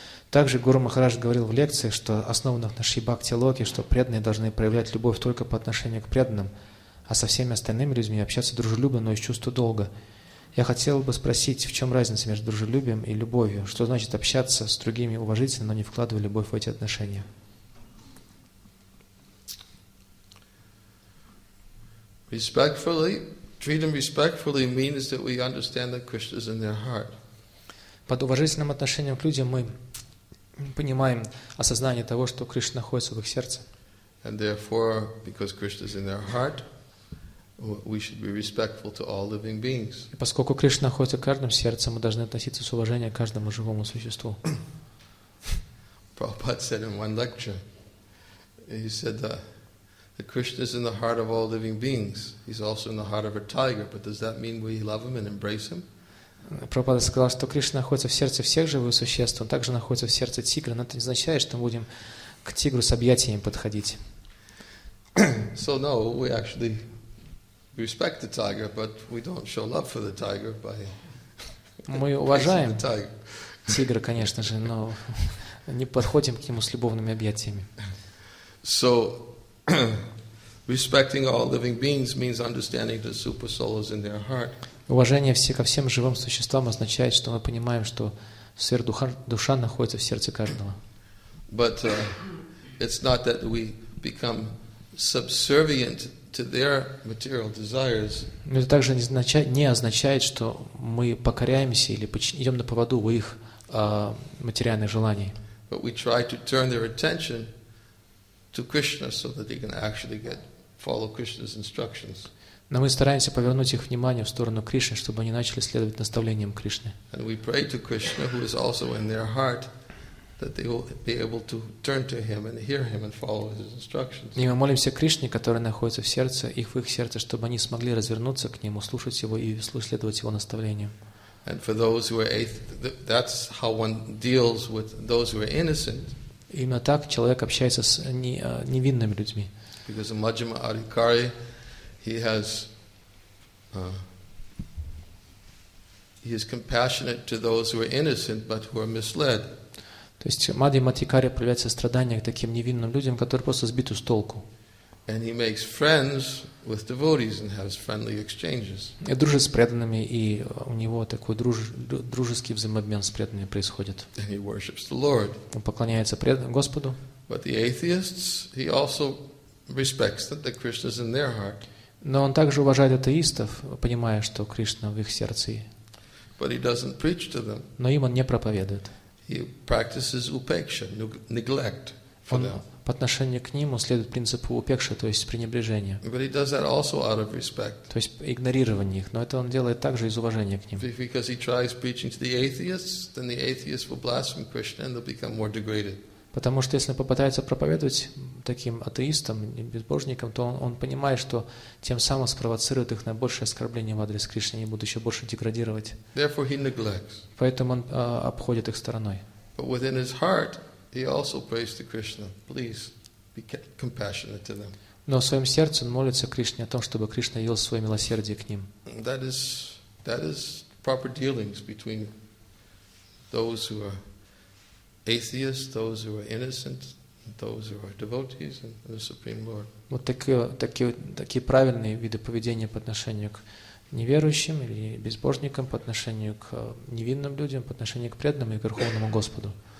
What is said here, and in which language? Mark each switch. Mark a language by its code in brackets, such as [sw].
[ru] Также Гуру Махарадж говорил в лекциях, что основано на Шибхакти-локе, что преданные должны проявлять любовь только по отношению к преданным, а со всеми остальными людьми общаться дружелюбно, но из чувства долга. Я хотел бы спросить, в чем разница между дружелюбием и любовью? Что значит общаться с другими уважительно, но не вкладывая любовь в эти отношения? [en] Respectfully, treat them respectfully means that we understand that Krishna is in their heart. [ru] Под уважительным отношением к людям мы понимаем осознание того, что Кришна находится в их сердце. [en] And therefore, because Krishna is in their heart, we should be respectful to all living beings. [ru] Поскольку Кришна находится в каждом сердце, мы должны относиться с уважением к каждому живому существу. [en] Prabhupada said in one lecture, he said that Krishna is in the heart of all living beings. He's also in the heart of a tiger. But does that mean we love him and embrace him? [ru] Прабхупада сказал, что Кришна находится в сердце всех живых существ, он также находится в сердце тигра. Но это не означает, что мы будем к тигру с объятиями подходить. [en] So no, we actually respect the tiger, but we don't show love for the tiger by. [ru] Мы уважаем тигра, конечно же, но не подходим к нему с любовными объятиями. [en] So respecting all living beings means understanding the super soul is in their heart. [ru] Уважение все ко всем живым существам означает, что мы понимаем, что сверхдуха, душа находится в сердце каждого. [en] But it's not that we become subservient to their material desires. [ru] Но это также не означает, что мы покоряемся или идем на поводу у их материальных желаний. [en] But we try to turn their attention to Krishna so that they can actually get follow Krishna's instructions. [ru] Но мы стараемся повернуть их внимание в сторону Кришны, чтобы они начали следовать наставлениям Кришны. [en] And we pray to Krishna, who is also in their heart, that they will be able to turn to him and hear him and follow his instructions. [ru] И мы молимся Кришне, который находится в сердце, их в их сердце, чтобы они смогли развернуться к нему, слушать его и следовать его наставлениям. [en] And for those who are that's how one deals with those who are innocent. [ru] Именно так человек общается с невинными людьми. [en] Because the Majjhima Adhikari, he has he is compassionate to those who are innocent but who are misled. [ru] То есть Маджхима Адхикари проявляет сострадание к таким невинным людям, которые просто сбиты с толку. [en] And he makes friends with devotees and has friendly exchanges. [ru] И дружит с преданными, и у него такой дружеский взаимообмен с преданными происходит. [en] And he worships the Lord. [ru] Он поклоняется Господу. [en] But the atheists, he also respects that Krishna is in their heart. [ru] Но он также уважает атеистов, понимая, что Кришна в их сердце. [en] But he doesn't preach to them. [ru] Но им он не проповедует. [en] He practices upeksha, neglect for them. [ru] По отношению к ним следует принципу упекши, то есть пренебрежения. [en] But he does that also out of respect. [ru] То есть игнорирование их, но это он делает также из уважения к ним. [en] Because he tries preaching to the atheists, then the atheists will blaspheme Krishna and they'll become more degraded. [ru] Потому что если он попытается проповедовать таким атеистам, безбожникам, то он понимает, что тем самым спровоцирует их на большее оскорбление в адрес Кришны, они будут еще больше деградировать. [en] Therefore he neglects. [ru] Поэтому он обходит их стороной. [en] But within his heart, he also prays to Krishna, please be compassionate to them. [ru] Но в своем сердце он молится Кришне о том, чтобы Кришна явил свое милосердие к ним. [en] That is proper dealings between those who are atheists, those who are innocent, those who are devotees, and the Supreme Lord. [ru] Вот такие правильные виды поведения по отношению к неверующим или безбожникам по отношению к невинным людям, по отношению к преданному и к Верховному Господу.